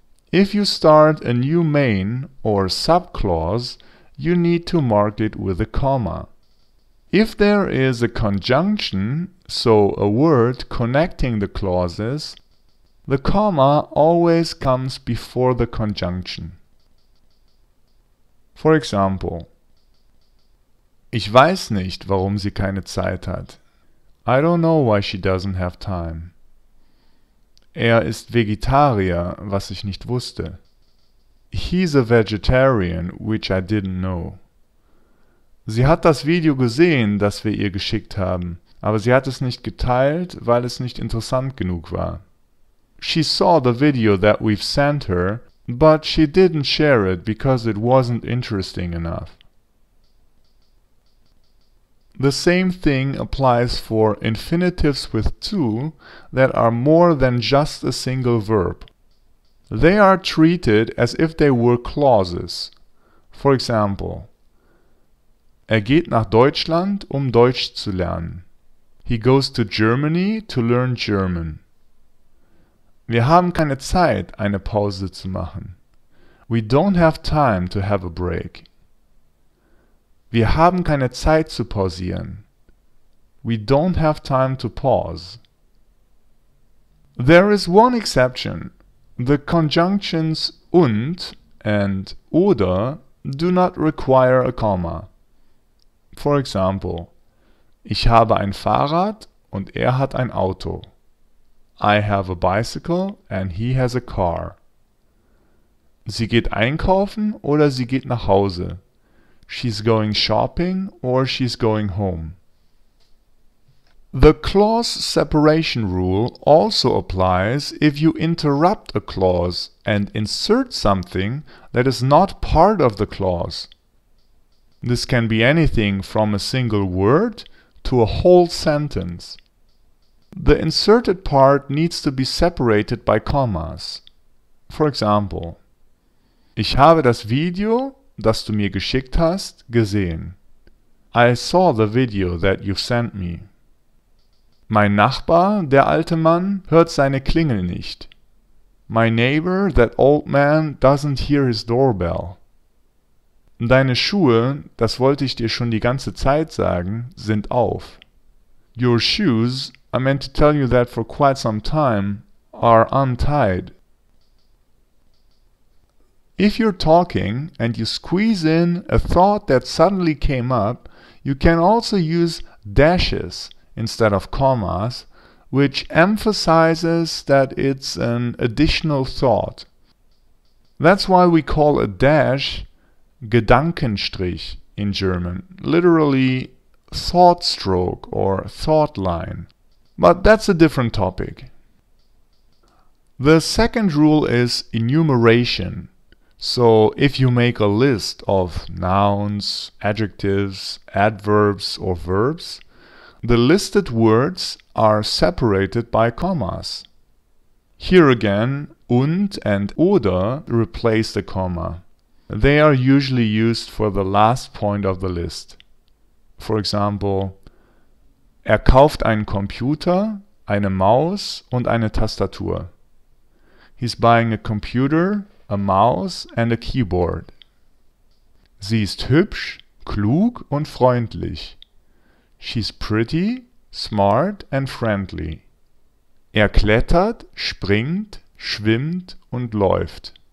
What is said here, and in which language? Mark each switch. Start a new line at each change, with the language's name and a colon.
English: If you start a new main or subclause, you need to mark it with a comma. If there is a conjunction, so a word connecting the clauses, the comma always comes before the conjunction. For example,
German: ich weiß nicht, warum sie keine Zeit hat.
English: I don't know why she doesn't have time.
German: Er ist Vegetarier, was ich nicht wusste.
English: He's a vegetarian, which I didn't know.
German: Sie hat das Video gesehen, das wir ihr geschickt haben, aber sie hat es nicht geteilt, weil es nicht interessant genug war.
English: She saw the video that we've sent her, but she didn't share it because it wasn't interesting enough. The same thing applies for infinitives with zu that are more than just a single verb. They are treated as if they were clauses. For example,
German: er geht nach Deutschland, um Deutsch zu lernen.
English: He goes to Germany to learn German.
German: Wir haben keine Zeit, eine Pause zu machen.
English: We don't have time to have a break.
German: Wir haben keine Zeit zu pausieren.
English: We don't have time to pause. There is one exception. The conjunctions und and oder do not require a comma. For example,
German: ich habe ein Fahrrad und er hat ein Auto.
English: I have a bicycle and he has a car.
German: Sie geht einkaufen oder sie geht nach Hause.
English: She's going shopping or she's going home. The clause separation rule also applies if you interrupt a clause and insert something that is not part of the clause. This can be anything from a single word to a whole sentence. The inserted part needs to be separated by commas. For example,
German: ich habe das Video, das du mir geschickt hast, gesehen.
English: I saw the video that you sent me.
German: Mein Nachbar, der alte Mann, hört seine Klingel nicht.
English: My neighbor, that old man, doesn't hear his doorbell.
German: Deine Schuhe, das wollte ich dir schon die ganze Zeit sagen, sind auf.
English: Your shoes, I meant to tell you that for quite some time, are untied. If you're talking and you squeeze in a thought that suddenly came up, you can also use dashes instead of commas, which emphasizes that it's an additional thought. That's why we call a dash Gedankenstrich in German, literally thought stroke or thought line. But that's a different topic. The second rule is enumeration. So if you make a list of nouns, adjectives, adverbs or verbs, the listed words are separated by commas. Here again, und and oder replace the comma. They are usually used for the last point of the list. For example,
German: er kauft einen Computer, eine Maus und eine Tastatur.
English: He's buying a computer, a mouse and a keyboard.
German: Sie ist hübsch, klug und freundlich.
English: She's pretty, smart and friendly.
German: Er klettert, springt, schwimmt und läuft.